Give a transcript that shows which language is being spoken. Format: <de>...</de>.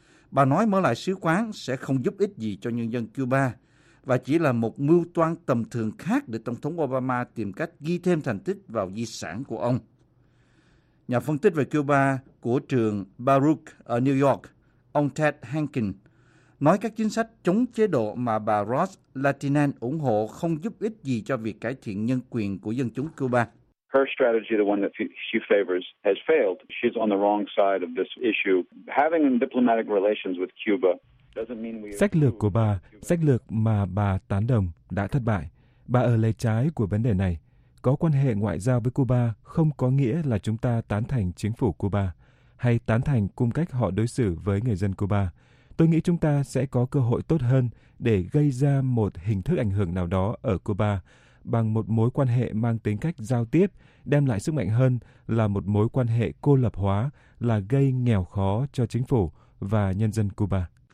<vi>Bà nói mở lại sứ quán sẽ không giúp ích gì cho nhân dân Cuba và chỉ là một mưu toan tầm thường khác để Tổng thống Obama tìm cách ghi thêm thành tích vào di sản của ông. Nhà phân tích về Cuba của trường Baruch ở New York, ông Ted Hankin, nói các chính sách chống chế độ mà bà Ross Latinen ủng hộ không giúp ích gì cho việc cải thiện nhân quyền của dân chúng Cuba.</vi> <en>Her strategy, the one that she favors, has failed. She's on the wrong side of this issue. Having diplomatic relations with Cuba doesn't mean we.</en> <vi>Sách lược của bà, sách lược mà bà tán đồng, đã thất bại. Bà ở lề trái của vấn đề này. Có quan hệ ngoại giao với Cuba không có nghĩa là chúng ta tán thành chính phủ Cuba hay tán thành cung cách họ đối xử với người dân Cuba. Tôi nghĩ chúng ta sẽ có cơ hội tốt hơn để gây ra một hình thức ảnh hưởng nào đó ở Cuba bằng một mối quan hệ mang tính cách giao tiếp, đem lại sức mạnh hơn là một mối quan hệ cô lập hóa, là gây nghèo khó cho chính phủ và nhân dân Cuba.</vi>